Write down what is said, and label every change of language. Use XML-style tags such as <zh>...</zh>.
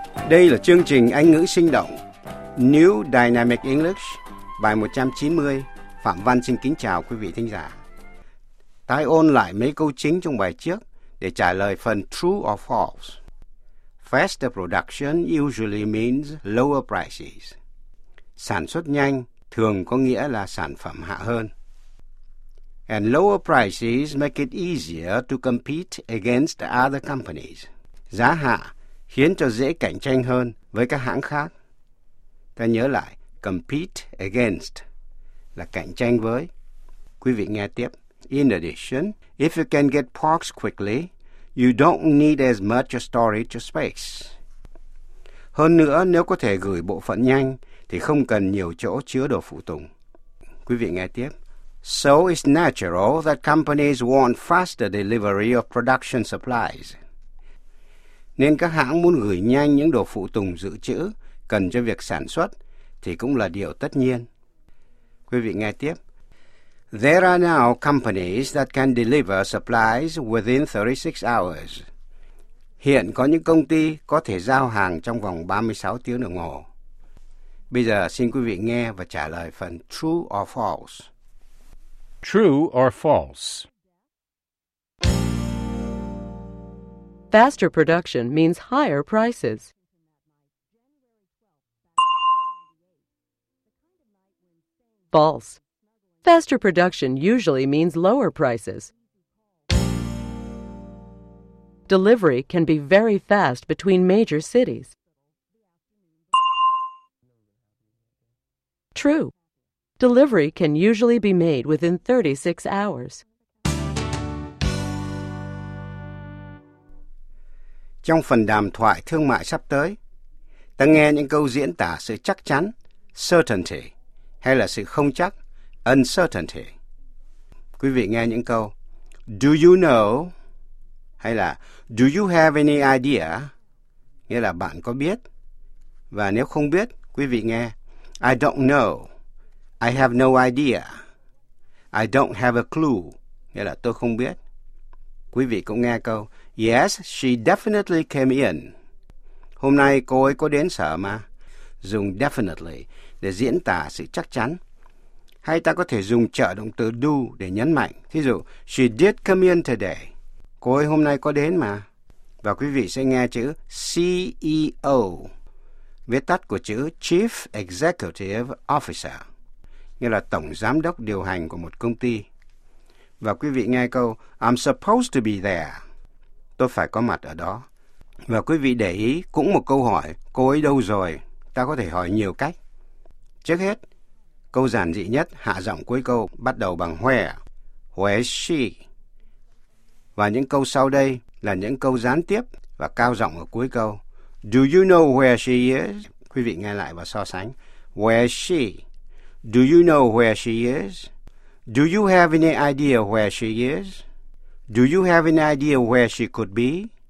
<vi>Đây là chương trình Anh ngữ sinh động New Dynamic English, bài 190. Phạm Văn xin kính chào quý vị thính giả. Tái ôn lại mấy câu chính trong bài trước để trả lời phần</vi> <en>true or false. Faster production usually means lower prices.</en> <vi>Sản xuất nhanh thường có nghĩa là sản phẩm hạ hơn.</vi> <en>And lower prices make it easier to compete against other companies.</en> <vi>Giá hạ khiến cho dễ cạnh tranh hơn với các hãng khác. Ta nhớ lại, compete against là cạnh tranh với. Quý vị nghe tiếp.</vi> <en>In addition, if you can get parts quickly, you don't need as much storage space.</en> <vi>Hơn nữa, nếu có thể gửi bộ phận nhanh, thì không cần nhiều chỗ chứa đồ phụ tùng. Quý vị nghe tiếp.</vi> <en>So it's natural that companies want faster delivery of production supplies.</en> <vi>Nên các hãng muốn gửi nhanh những đồ phụ tùng dự trữ cần cho việc sản xuất thì cũng là điều tất nhiên. Quý vị nghe tiếp.</vi> <en>There are now companies that can deliver supplies within 36 hours.</en> <vi>Hiện có những công ty có thể giao hàng trong vòng 36 tiếng đồng hồ. Bây giờ xin quý vị nghe và trả lời phần</vi> <en>true or false. True or false? Faster production means higher prices. False. Faster production usually means lower prices. Delivery can be very fast between major cities. True. Delivery can usually be made within 36 hours.</en> <vi>Trong phần đàm thoại thương mại sắp tới, ta nghe những câu diễn tả sự chắc chắn, certainty, hay là sự không chắc, uncertainty. Quý vị nghe những câu,</vi> <en>do you know,</en> <vi>hay là</vi> <en>do you have any idea,</en> <vi>nghĩa là bạn có biết. Và nếu không biết, quý vị nghe,</vi> <en>I don't know, I have no idea, I don't have a clue,</en> <vi>nghĩa là tôi không biết. Quý vị cũng nghe câu,</vi> <en>yes, she definitely came in.</en> <vi>Hôm nay cô ấy có đến sở mà. Dùng definitely để diễn tả sự chắc chắn. Hay ta có thể dùng trợ động từ do để nhấn mạnh. Thí dụ,</vi> <en>she did come in today.</en> <vi>Cô ấy hôm nay có đến mà. Và quý vị sẽ nghe chữ CEO, viết tắt của chữ Chief Executive Officer, nghĩa là tổng giám đốc điều hành của một công ty. Và quý vị nghe câu,</vi> <en>I'm supposed to be there.</en> <vi>Tôi phải có mặt ở đó. Và quý vị để ý, cũng một câu hỏi, cô ấy đâu rồi? Ta có thể hỏi nhiều cách. Trước hết, câu giản dị nhất, hạ giọng cuối câu, bắt đầu bằng where.</vi> <en>Where is she?</en> <vi>Và những câu sau đây là những câu gián tiếp và cao giọng ở cuối câu.</vi> <en>Do you know where she is?</en> <vi>Quý vị nghe lại và so sánh.</vi> <en>Where is she? Do you know where she is? Do you have any idea where she is? Do you have any idea where she could be?</en>